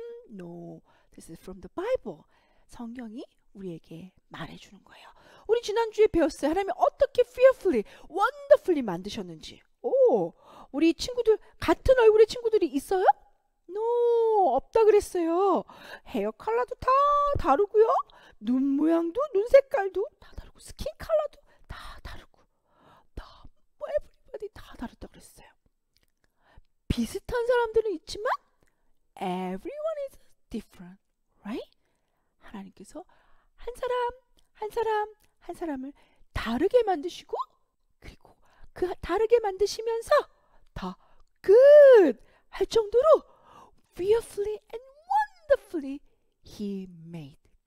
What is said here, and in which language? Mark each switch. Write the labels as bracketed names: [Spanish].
[English] No, this is from the Bible. [Korean] 성경이 우리에게 말해주는 거예요. 우리 지난주에 배웠어요. 하나님이 어떻게 [English] fearfully, wonderfully [Korean] 만드셨는지. 오, 우리 친구들, 같은 얼굴의 친구들이 있어요? No, 없다 그랬어요. 헤어 컬러도 다 다르고요. 눈 모양도, 눈 색깔도 다 다르고, 스킨 컬러도 다 다르고, 다, everybody 다 다르다 그랬어요. 비슷한 사람들은 있지만, [English] everyone is different, right? [Korean] 하나님께서 한 사람, 한 사람, 한 사람을 다르게 만드시고, 그리고 그 다르게 만드시면서 다 good 할 정도로 [English] fearfully and wonderfully he made.